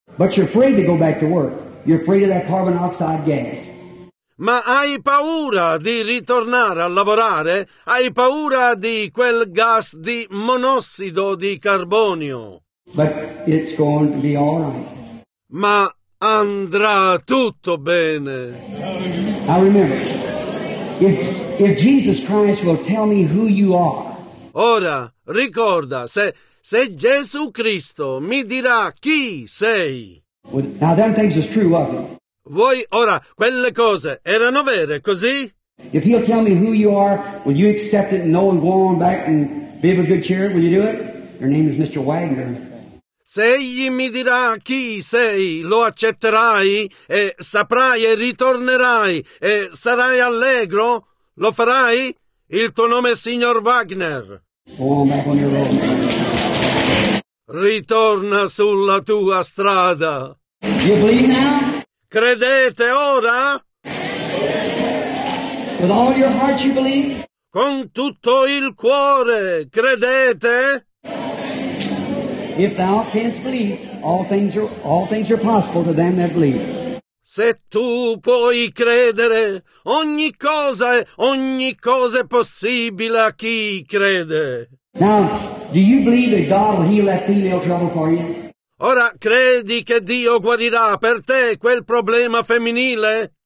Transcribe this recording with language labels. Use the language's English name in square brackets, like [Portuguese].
[English] But you're afraid to go back to work. You're afraid of that carbon monoxide gas. [Italian] Ma hai paura di ritornare a lavorare? Hai paura di quel gas di monossido di carbonio? [English] But it's going to be all right. [Italian] Ma andrà tutto bene. [English] I remember. If Jesus Christ will tell me who you are. [Italian] Ora, ricorda, se Gesù Cristo mi dirà chi sei. [English] Now them things is true, wasn't it? [Italian] Voi ora quelle cose erano vere, così? [English] If he'll tell me who you are, will you accept it and know and go on back and be of a good cheer? Will you do it? Your name is Mr. Wagner. [Italian] Se egli mi dirà chi sei, lo accetterai e saprai e ritornerai e sarai allegro? Lo farai? Il tuo nome è signor Wagner. [English] Go on back on your road. [Italian] Ritorna sulla tua strada. [English] You believe now? [Italian] Credete ora? [English] With all your heart you believe? [Italian] Con tutto il cuore, credete? [English] If thou canst believe, all things are possible to them that believe. [Italian] Se tu puoi credere, ogni cosa è possibile a chi crede. [English] Now, do you believe that God will heal that female trouble for you? Ora, credi che Dio guarirà per te quel problema femminile?